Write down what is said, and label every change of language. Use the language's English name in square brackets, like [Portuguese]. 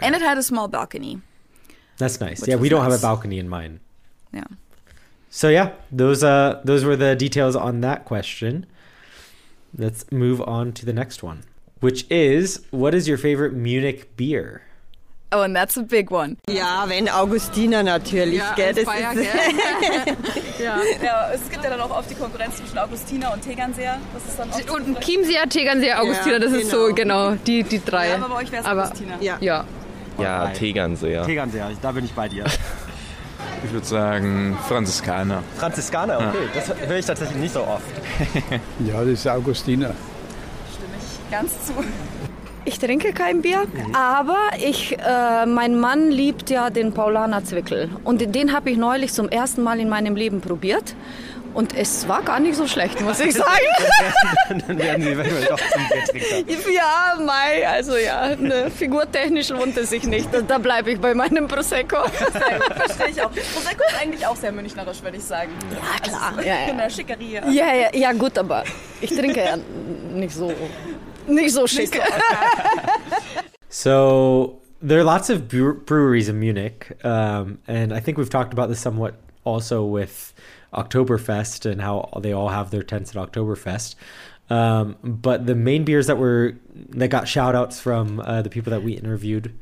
[English] And it had a small balcony. That's nice. Yeah, we don't have a balcony in mine. Yeah. So yeah, those were the details on that question. Let's move on to the next one, which is, what is your favorite Munich beer? Oh, and that's a big one. [German] Ja, wenn Augustiner natürlich, ja, Ja, ich feier gern. Ja, es gibt ja dann auch oft die Konkurrenz zwischen Augustiner und Tegernseher. Das ist dann oft und so Chiemseer, Tegernseher, Augustiner, ja, das genau. Ist so genau die drei. Ja, aber bei euch wär's aber, Augustiner. Ja. Ja, ja, Tegernseher. Tegernseher, da bin ich bei dir. Ich würde sagen Franziskaner. Franziskaner, okay. Ja. Das höre ich tatsächlich nicht so oft. Ja, das ist Augustiner. Stimme ich ganz zu. Ich trinke kein Bier, aber mein Mann liebt ja den Paulaner Zwickel. Und den habe ich neulich zum ersten Mal in meinem Leben probiert. Und es war gar nicht so schlecht, muss ich sagen. dann werden wir doch zum Biertrinker. Ja, mei, also ja, ne, figurtechnisch lohnt es sich nicht. Da bleibe ich bei meinem Prosecco. Verstehe ich auch. Prosecco ist eigentlich auch sehr münchnerisch, würde ich sagen. Ja, klar. Also, ja, in der Schickerie. Ja, gut, aber ich trinke ja nicht so... Nicht so schick. [English] So there are lots of breweries in Munich, and I think we've talked about this somewhat also with Oktoberfest and how they all have their tents at Oktoberfest. But the main beers that got shout outs from the people that we interviewed.